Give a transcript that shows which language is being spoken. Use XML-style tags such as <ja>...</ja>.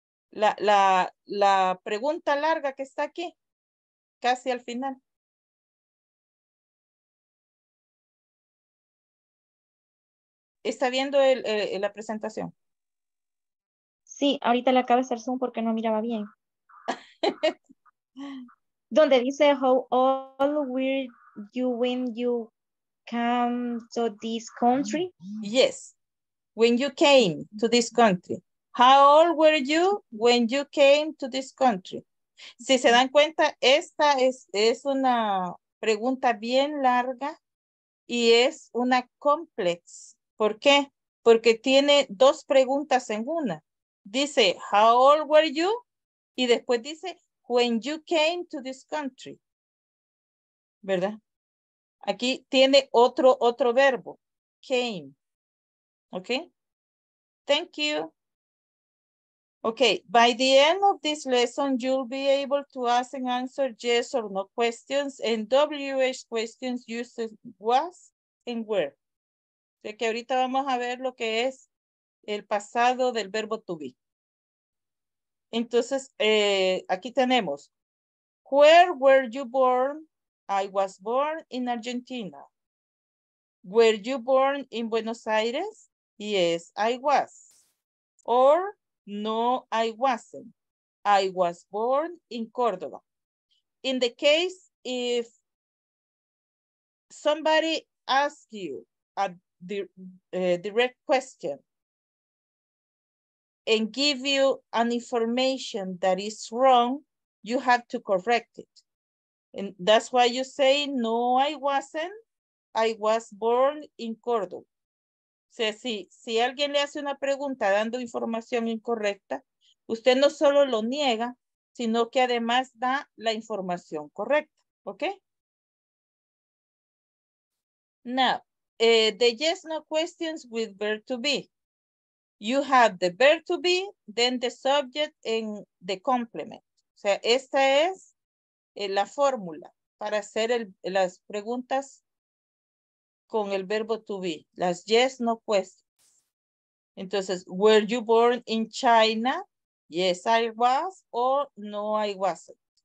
<es>La pregunta larga que está aquí, casi al final. ¿Está viendo la presentación? Sí, ahorita le acabo de hacer zoom porque no miraba bien. Donde dice,</es> <en>how old were you when you came to this country? Yes. when you came to this country? How old were you when you came to this country?</en> <es>Si se dan cuenta, esta es una pregunta bien larga y es una complex. ¿Por qué? Porque tiene dos preguntas en una. Dice, how old were you? Y después dice,</es> <en>when you came to this country.</en> <es>¿Verdad? Aquí tiene otro verbo. Came. ¿Ok?</es> <en>Thank you. Ok, by the end of this lesson, you'll be able to ask and answer yes or no questions and WH questions used was and were.</en> <es>O sea que ahorita vamos a ver lo que es el pasado del verbo to be. Entonces, aquí tenemos.</es> <en>Where were you born? I was born in Argentina. Were you born in Buenos Aires? Yes, I was. Or, no, I wasn't. I was born in Córdoba. In the case, if somebody asks you a direct question and give you an information that is wrong, you have to correct it. And that's why you say, no, I wasn't. I was born in Córdoba.</en> <es>O sea, si alguien le hace una pregunta dando información incorrecta, usted no solo lo niega, sino que además da la información correcta. ¿Ok?</es> <en>Now, the yes, no questions with verb to be. You have the verb to be, then the subject and the complement.</en> <es>O sea, esta es la fórmula para hacer las preguntas con el verbo to be, las yes, no questions.</es> <en>Entonces, were you born in China? Yes, I was, or no, I wasn't.</en>